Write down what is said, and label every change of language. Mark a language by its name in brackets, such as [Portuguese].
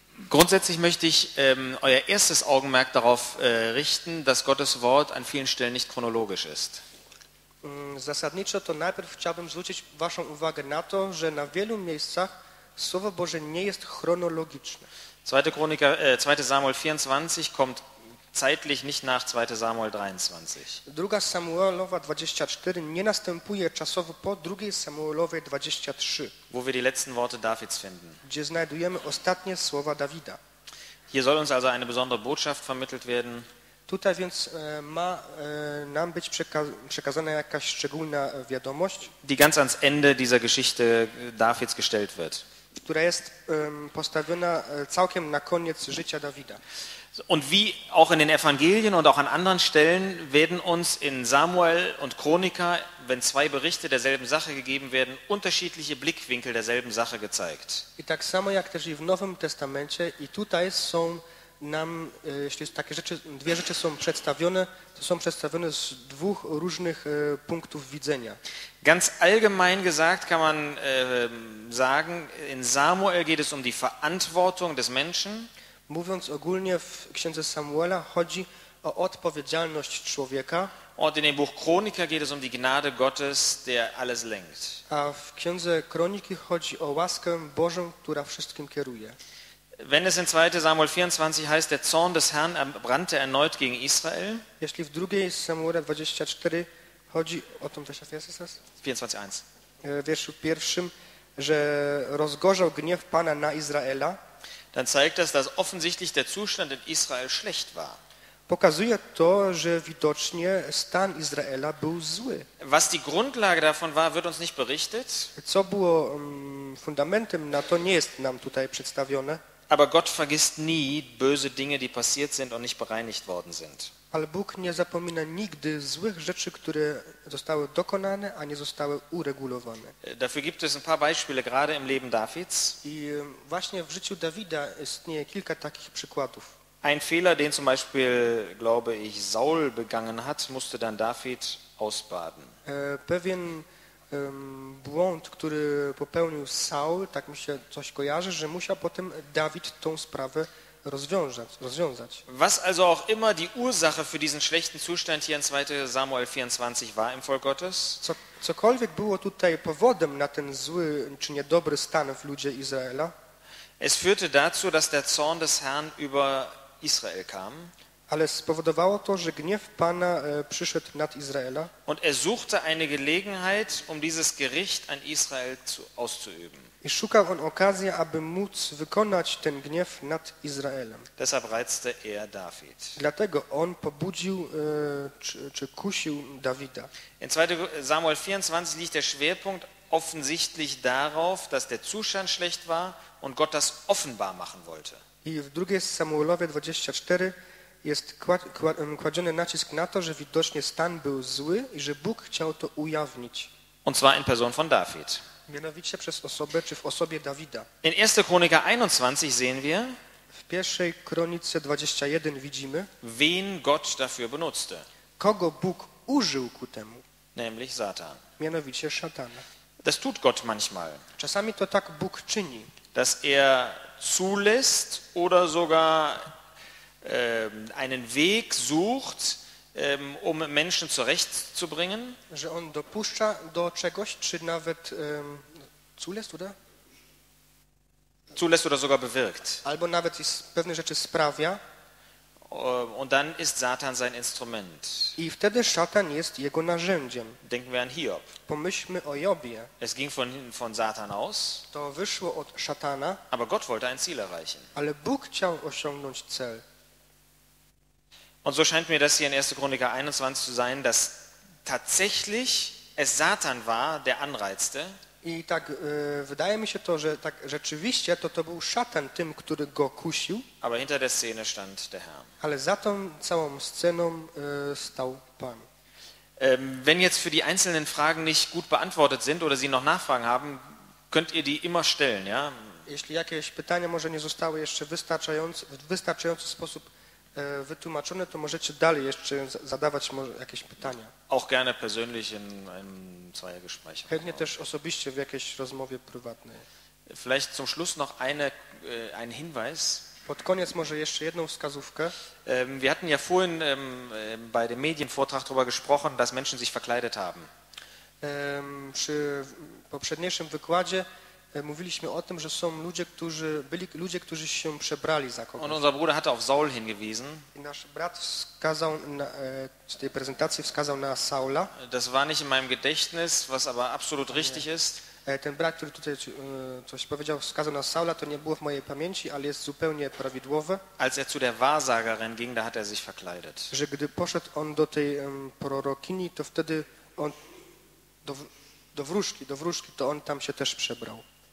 [German] Grundsätzlich möchte ich euer erstes Augenmerk darauf richten, dass Gottes Wort an vielen Stellen nicht chronologisch ist. [Polish] Zasadniczo to najpierw chciałbym zwrócić waszą uwagę na to, że na wielu miejscach Słowo Boże nie jest chronologiczne. [German] 2 Samuel 24 kommt zeitlich nicht nach 2 Samuel 23. [Polish] Druga Samuelowa 24 nie następuje czasowo po 2 Samuelowej 23. [German] Wo wir die letzten Worte Davids finden. [Polish] Gdzie znajdujemy ostatnie słowa Dawida. [German] Hier soll uns also eine besondere Botschaft vermittelt werden. [Polish] Tutaj więc ma nam być przekazana jakaś szczególna wiadomość, [German] die ganz ans Ende dieser Geschichte Davids gestellt wird. [Polish] Która jest postawiona całkiem na koniec życia Dawida. [German] Und wie auch in den Evangelien und auch an anderen Stellen werden uns in Samuel und Chronika, wenn zwei Berichte derselben Sache gegeben werden, unterschiedliche Blickwinkel derselben Sache gezeigt. [Polish] I tak samo jak też i w Nowym Testamencie i tutaj są nam, jeśli takie rzeczy, dwie rzeczy są przedstawione, to są przedstawione z dwóch różnych punktów widzenia. [German] Ganz allgemein gesagt kann man sagen, in Samuel geht es um die Verantwortung des Menschen. [Polish] Mówiąc ogólnie, w Księdze Samuela chodzi o odpowiedzialność człowieka. [German] Und in dem Buch Chronika geht es um die Gnade Gottes, der alles lenkt. [Polish] A w Księdze Kroniki chodzi o łaskę Bożą, która wszystkim kieruje. [German] Wenn es in 2 Samuel 24 heißt, der Zorn des Herrn brannte erneut gegen Israel. [Polish] Jeśli w 2 Samuela 24 chodzi o tym, co jest teraz? [German] 24:1. [Polish] W wierszu pierwszym, że rozgorzał gniew Pana na Izraela. [German] Dann zeigt das, dass offensichtlich der Zustand in Israel schlecht war. [Polish] Pokazuje to, że widocznie stan Izraela był zły. [German] Was die Grundlage davon war, wird uns nicht berichtet. [Polish] Co było fundamentem na to, nie jest nam tutaj przedstawione. [German] Aber Gott vergisst nie böse Dinge, die passiert sind und nicht bereinigt worden sind. [Polish] Ale Bóg nie zapomina nigdy złych rzeczy, które zostały dokonane, a nie zostały uregulowane. [German] Dafür gibt es ein paar Beispiele gerade im Leben Davids. [Polish] I właśnie w życiu Dawida istnieje kilka takich przykładów. [German] Ein Fehler, den zum Beispiel, glaube ich, Saul begangen hat, musste dann David ausbaden. [Polish] Pewien błąd, który popełnił Saul, tak mi się coś kojarzy, że musiał potem Dawid tą sprawę rozwiązać. [German] Was also auch immer die Ursache für diesen schlechten Zustand hier in 2 Samuel 24 war im Volk Gottes. [Polish] Cokolwiek było tutaj powodem na ten zły czy niedobry stan w ludzie Izraela. [German] Es führte dazu, dass der Zorn des Herrn über Israel kam. [Polish] Ale spowodowało to, że gniew Pana przyszedł nad Izraela. [German] Und er suchte eine Gelegenheit, um dieses Gericht an Israel auszuüben. [Polish] I szukał on okazji, aby móc wykonać ten gniew nad Izraelem. [German] Deshalb reizte er David. [Polish] Dlatego on pobudził czy kusił Dawida. [German] In 2. Samuel 24 liegt der Schwerpunkt offensichtlich darauf, dass der Zustand schlecht war und Gott das offenbar machen wollte. [Polish] I w 2. Samuelowie 24 jest kładziony nacisk na to, że widocznie stan był zły i że Bóg chciał to ujawnić. [German] Und zwar in Person von David. [Polish] Mianowicie przez osobę, czy w osobie Dawida. [German] In 1. Chronika 21 sehen wir, [Polish] w 1. Kronice 21 widzimy, [German] wen Gott dafür benutzte. [Polish] Kogo Bóg użył ku temu. [German] Nämlich Satan. [Polish] Mianowicie Szatana. [German] Das tut Gott manchmal. [Polish] Czasami to tak Bóg czyni. [German] Dass er zulässt oder sogar einen Weg sucht, um Menschen zurechtzubringen. [Polish] Że on dopuszcza do czegoś, czy nawet [German] zulässt, oder? Zulässt oder sogar bewirkt. [Polish] Albo nawet pewne rzeczy sprawia. [German] Und dann ist Satan sein Instrument. [Polish] I wtedy Szatan jest jego narzędziem. [German] Denken wir an Hiob. [Polish] Pomyślmy o Jobie. [German] Es ging von Satan aus. [Polish] To wyszło od Szatana. [German] Aber Gott wollte ein Ziel erreichen. [Polish] Ale Bóg chciał osiągnąć cel. [German] Und so scheint mir das hier in 1. Chroniker 21 zu sein, dass tatsächlich es Satan war, der anreizte. [Polish] I tak wydaje mi się to, że tak rzeczywiście to był Szatan tym, który go kusił. [German] Aber hinter der Szene stand der Herr. [Polish] Ale za tą całą sceną stał Pan. [German] Wenn jetzt für die einzelnen Fragen nicht gut beantwortet sind oder Sie noch Nachfragen haben, könnt ihr die immer stellen, ja? [Polish] Jeśli jakieś pytania może nie zostały jeszcze w wystarczający sposób wytłumaczone, to możecie dalej jeszcze zadawać może jakieś pytania. [German] Auch gerne persönlich in einem Zweiergespräch. [Polish] Chętnie też osobiście w jakiejś rozmowie prywatnej. [German] Vielleicht zum Schluss noch ein Hinweis. [Polish] Pod koniec może jeszcze jedną wskazówkę. [German] Wir hatten ja vorhin bei dem Medienvortrag darüber gesprochen, dass Menschen sich verkleidet haben. [Polish] Przy poprzedniejszym wykładzie mówiliśmy o tym, że są ludzie, którzy byli ludzie, którzy się przebrali za kogoś. [German] Und unser Bruder hatte auf Saul hingewiesen. [Polish] I nasz brat wskazał z tej prezentacji wskazał na Saula. [German] Das war nicht in meinem Gedächtnis, was aber absolut richtig ist. [Polish] Ten brat, który tutaj coś powiedział, wskazał na Saula, to nie było w mojej pamięci, ale jest zupełnie prawidłowe. [German] Als er zu der Wahrsagerin ging, da hat er sich verkleidet. [Polish] Że gdy poszedł on do tej prorokini, to wtedy on do wróżki, to on tam się też przebrał.